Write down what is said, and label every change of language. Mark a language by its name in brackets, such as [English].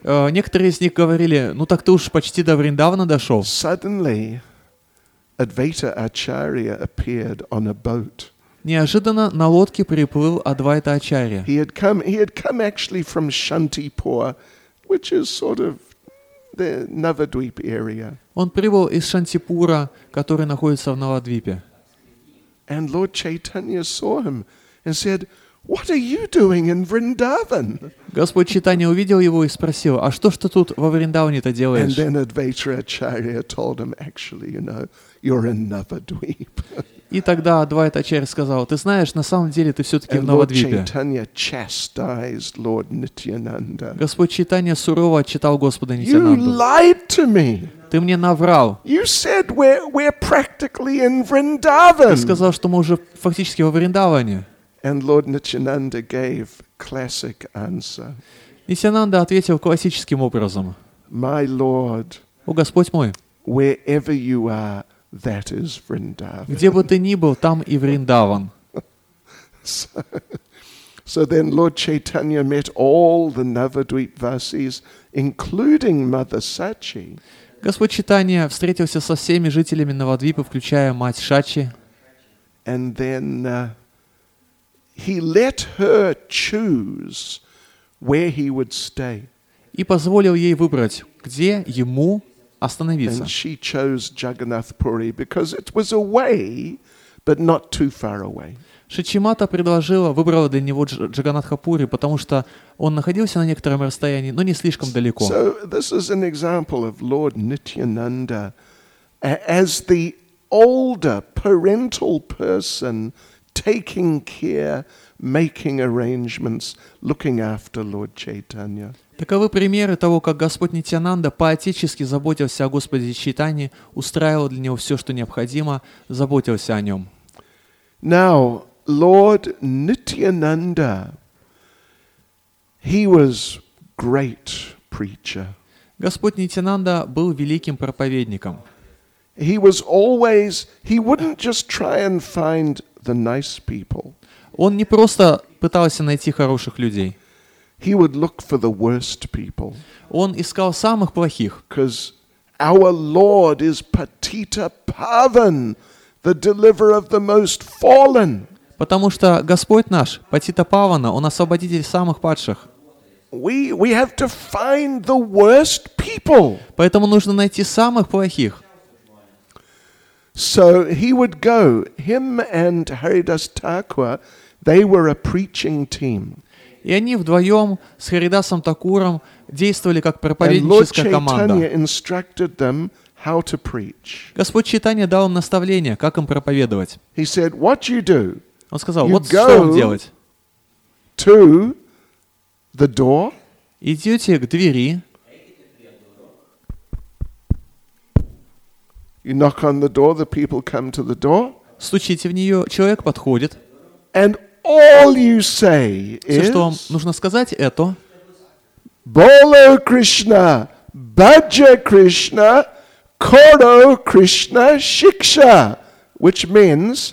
[Russian] Некоторые из них говорили, ну так ты уж почти до Вриндавана дошел. [English] Suddenly, Advaita Acharya appeared on a boat. [Russian] Неожиданно на лодке приплыл Адвайта Ачарья. [English] He had come actually from Shantipur, which is sort of the Navadvip area. [Russian] Он прибыл из Шантипура, который находится в Навадвипе. [English] And Lord Chaitanya saw him and said, "What are you doing in Vrindavan?" [Russian] Господь Читания увидел его и спросил: "А что ж ты тут во Вриндаване-то делаешь?" [English] And then Advaita Acharya told him, "Actually, you know, you're in Navadvip." [Russian] И тогда Адвайта Ачарья сказал: "Ты знаешь, на самом деле ты все-таки в Навадвипе." [English] And Lord Chaitanya chastised Lord Nityananda. [Russian] Господь Читания сурово отчитал Господа Нитянанду. [English] "You lied to me." [Russian] Ты мне наврал. [English] You said we're practically in Vrindavan. [Russian] Ты сказал, что мы уже фактически во Вриндаване. [English] And Lord Nityananda gave classic answer. [Russian] Нитянанда ответил классическим образом. [English] My Lord. [Russian] О Господь мой. [English] Wherever you are, that is Vrindavan. [Russian] Где бы ты ни был, там и Вриндаван. [English] So then Lord Chaitanya met all the Navadvip Vasis, including Mother Sachi. [Russian] Господь Читания встретился со всеми жителями Навадвипа, включая мать Шачи. [English] And then he let her choose where he would stay. [Russian] И позволил ей выбрать, где ему остановиться. [English] And she chose Jagannath Puri because it was away, but not too far away. [Russian] Шачимата предложила, выбрала для него Джаганатхапури, потому что он находился на некотором расстоянии, но не слишком далеко. [English] So this is an example of Lord Nityananda as the older parental person taking care, making arrangements, looking after Lord Chaitanya. [Russian] Таковы примеры того, как Господь Нитянанда поотечески заботился о Господе Чайтанье, устраивал для него все, что необходимо, заботился о нем. [English] Now, Lord Nityananda, he was great preacher. [Russian] Господь Нитянанда был великим проповедником. [English] He was always, he wouldn't just try and find the nice people. [Russian] Он не просто пытался найти хороших людей. [English] He would look for the worst people. [Russian] Он искал самых плохих. [English] Because our Lord is Patita Pavan, the deliverer of the most fallen. [Russian] Потому что Господь наш, Патита Павана, Он освободитель самых падших. [English] We have to find the worst people. [Russian] Поэтому нужно найти самых плохих. [English] So he would go, him and Haridas Thakur, they were a preaching team. [Russian] И они вдвоем с Харидасом Такуром действовали как проповедническая команда. [English] And Lord Chaitanya instructed them how to preach. [Russian] Господь Читания дал им наставление, как им проповедовать. [English] He said, what you do? [Russian] Он сказал, вот что вам делать. [English] To the door. [Russian] Идете к двери. [English] You knock on the door, the people come to the door. [Russian] Стучите в нее, человек подходит. [English] And all you say is, [Russian] все, что вам нужно сказать, это [Bangla] Bolo Krishna, Bhaja Krishna, Koro Krishna Shiksha. [English] Which means,